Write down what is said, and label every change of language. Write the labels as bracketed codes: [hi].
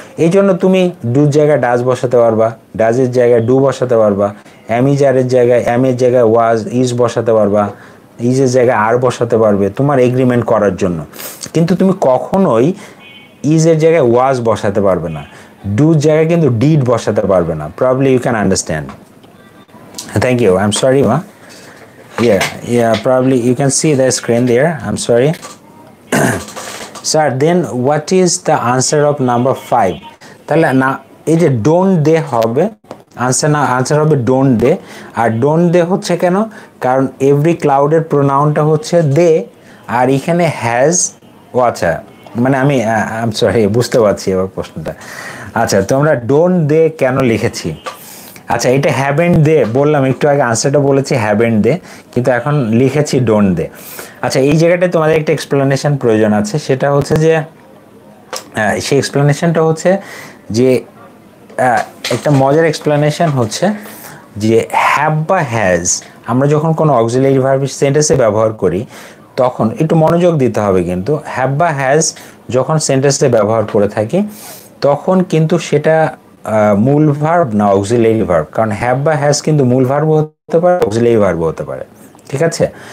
[bn] এই জন্য তুমি দুর জায়গায় ডাজ বসাতে পারবা, ডাজের জায়গায় ডু বসাতে পারবা, অ্যাম ইজ আরের জায়গায় অ্যাম এর জায়গায় ওয়াজ ইজ বসাতে পারবা, ইজের জায়গায় আর বসাতে পারবে তোমার এগ্রিমেন্ট করার জন্য। কিন্তু তুমি কখনোই ইজের জায়গায় ওয়াজ বসাতে পারবে না, ডুর জায়গায় কিন্তু ডিড বসাতে পারবে না। [en] Probably you can understand. Thank you, I am sorry মা। Yeah, yeah, probably you can see the screen there. I'm sorry. Sir, then what is the answer of number 5? [bn] Tala na it don't they hobe answer na answer hobe don't they are don't they hocche keno karon every cloud er pronoun ta hocche they ar ikhane has water mane ami I'm sorry bujhte pachhi ebar prosno ta acha tumra don't they keno likhechi আচ্ছা এটা haven't দে বললাম একটু আগে, আনসারটা বলেছি haven't দে, কিন্তু এখন লিখেছি ডোন্ট দে। আচ্ছা এই জায়গাটায় তোমাদের একটা এক্সপ্লেনেশন প্রয়োজন আছে, সেটা হচ্ছে যে সেই এক্সপ্লেনেশনটা হচ্ছে যে একটা মজার এক্সপ্লেনেশন হচ্ছে যে হ্যাভ বা হ্যাজ আমরা যখন কোনো অক্সিলারি ভার্ব সেন্টেন্সে ব্যবহার করি তখন একটু মনোযোগ দিতে হবে, কিন্তু হ্যাভ বা হ্যাজ যখন সেন্টেন্সে ব্যবহার করে থাকি তখন কিন্তু সেটা মূল ভার্ব না অক্সিলারি ভার্ব, কারণ হ্যাভ বা হ্যাজ কিন্তু মূল ভার্ব হতে পারে অক্সিলারি ভার্ব হতে পারে, ঠিক আছে?